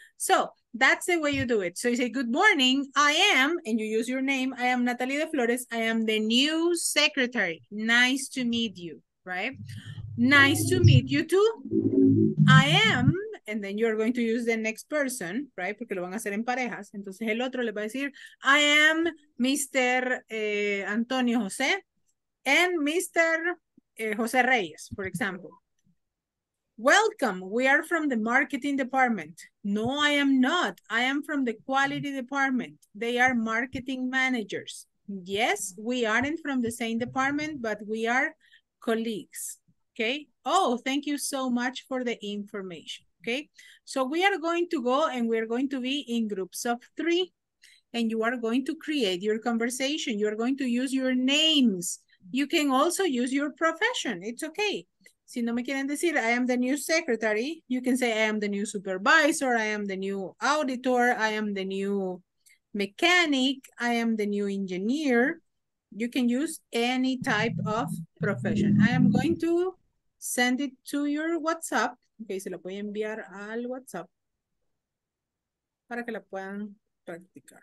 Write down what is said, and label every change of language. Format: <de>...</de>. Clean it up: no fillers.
<en>So that's the way you do it. So you say, good morning, I am, and you use your name. I am Natalie de Flores. I am the new secretary. Nice to meet you, right? Nice to meet you too. I am. And then you're going to use the next person, right?</en> <es>Porque lo van a hacer en parejas. Entonces el otro le va a decir,</es> <en>I am Mr. Antonio José and Mr. José Reyes, for example. Welcome, we are from the marketing department. No, I am not. I am from the quality department. They are marketing managers. Yes, we aren't from the same department, but we are colleagues, okay? Oh, thank you so much for the information. Okay, so we are going to go and we are going to be in groups of three and you are going to create your conversation. You are going to use your names. You can also use your profession. It's okay.</en> <es>Si no me quieren decir,</es> <en>I am the new secretary. You can say, I am the new supervisor. I am the new auditor. I am the new mechanic. I am the new engineer. You can use any type of profession. I am going to send it to your WhatsApp.</en> <es>Okay, se la voy a enviar al WhatsApp para que la puedan practicar.</es>